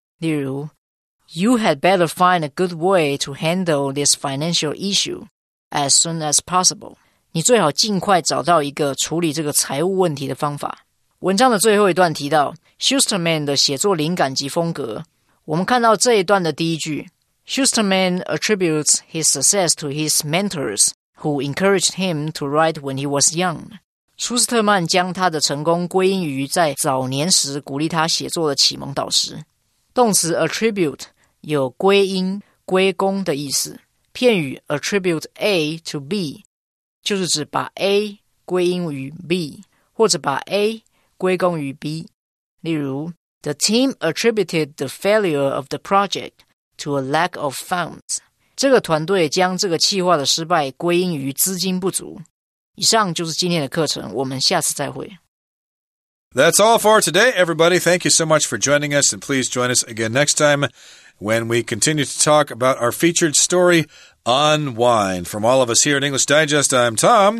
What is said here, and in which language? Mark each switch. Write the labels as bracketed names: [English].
[Chinese] 例如 [English] You had better find a good way to handle this financial issue as soon as possible. [Chinese] 你最好尽快找到一个处理这个财务问题的方法。文章的最后一段提到 Schusterman 的写作灵感及风格。我们看到这一段的第一句 [English] Schusterman attributes his success to his mentors who encouraged him to write when he was young. [Chinese] 舒斯特曼将他的成功归因于在早年时鼓励他写作的启蒙导师。动词 attribute 有归因、归功的意思。片语 attribute A to B 就是指把 A 归因于 B 或者把 A 归功于 B。 [English] 例如 The team attributed the failure of the project to a lack of funds. [Chinese] 这个团队将这个企划的失败归因于资金不足。以上就是今天的课程，我们下次再会。 [English] That's all for today, everybody. Thank you so much for joining us, and please join us again next time when we continue to talk about our featured story, Unwind. From all of us here at English Digest, I'm Tom.